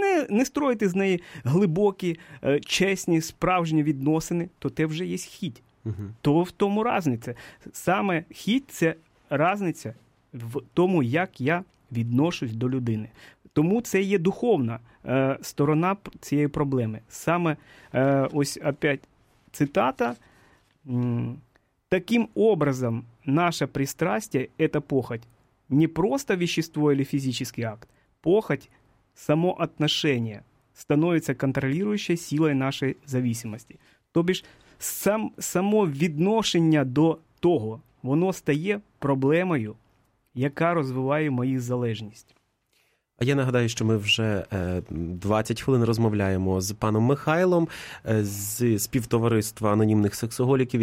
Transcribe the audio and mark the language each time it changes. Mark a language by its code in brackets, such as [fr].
[uk] Не строїти з неї глибокі, чесні, справжні відносини, то те вже є хід. Угу. То в тому різниця. Саме хід – це різниця в тому, як я відношусь до людини. Тому це є духовна сторона цієї проблеми. Саме ось опять цитата. [ru] Таким образом, наше пристрастие – это похоть. Не просто вещество или физический акт. Похоть – само отношение становится контролирующей силой нашей зависимости. [uk] Тобіж, само відношення до того, воно стає проблемою, яка розвиває мою залежність. А я нагадаю, що ми вже 20 хвилин розмовляємо з паном Михайлом з співтовариства анонімних сексоголіків.